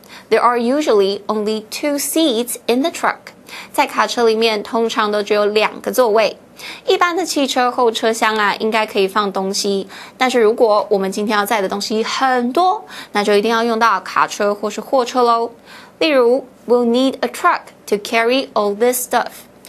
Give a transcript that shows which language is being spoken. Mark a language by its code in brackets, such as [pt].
[en] There are usually only two seats in the truck. [zh] 在卡车里面通常都只有两个座位。一般的汽车后车厢啊，应该可以放东西，但是如果我们今天要载的东西很多，那就一定要用到卡车或是货车咯。例如 [en] We'll need a truck to carry all this stuff.